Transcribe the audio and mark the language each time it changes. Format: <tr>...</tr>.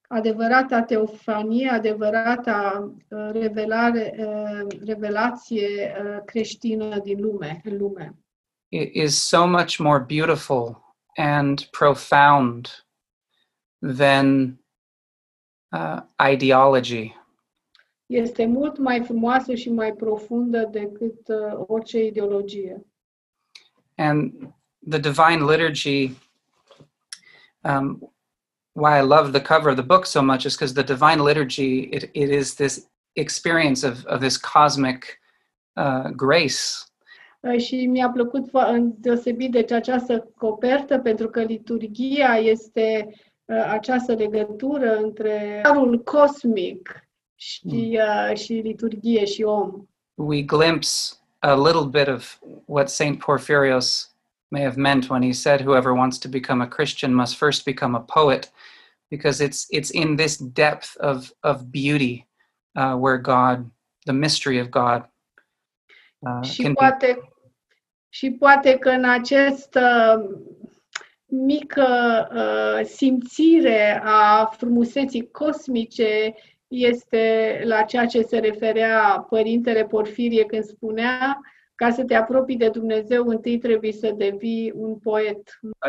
<ro>Adevărata teofanie, adevărata revelare, revelație creștină din lume, în lume.</ro> <en>It is so much more beautiful and profound than ideology.</en> <ro>Este mult mai frumoasă și mai profundă decât orice ideologie.</ro> <en>And the Divine Liturgy, why I love the cover of the book so much is because the Divine Liturgy, it is this experience of this cosmic grace.</en> <ro>Și mi-a plăcut deosebit de această copertă, pentru că liturgia este această legătură între darul cosmic și liturgie și om.</ro> <en>We glimpse a little bit of what Saint Porphyrios may have meant when he said, whoever wants to become a Christian must first become a poet, because it's in this depth of beauty where God, the mystery of God,</en> <ro>și poate că în această mică simțire a frumuseții cosmice este la ceea ce se referea Părintele Porfirie când spunea, ca să te apropii de Dumnezeu, întâi trebuie să devii un poet.</ro>